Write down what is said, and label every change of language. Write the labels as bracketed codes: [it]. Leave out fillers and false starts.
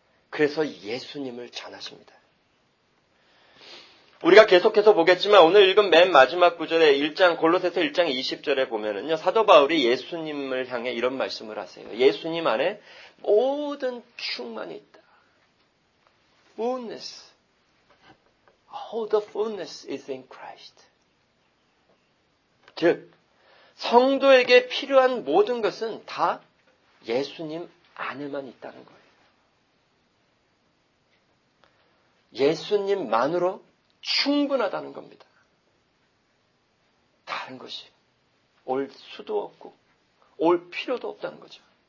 [ko] 그래서 예수님을 전하십니다. 우리가 계속해서 보겠지만 오늘 읽은 맨 마지막 구절에 1장 골로새서 1장 20절에 보면은요. 사도 바울이 예수님을 향해 이런 말씀을 하세요. 예수님 안에 모든 충만이 있다. [en] Fullness. All the fullness is in Christ. [ko] 즉 성도에게 필요한 모든 것은 다 예수님 안에만 있다는 거예요. 예수님만으로 충분하다는 겁니다. 다른 것이 올 수도 없고 올 필요도 없다는 거죠.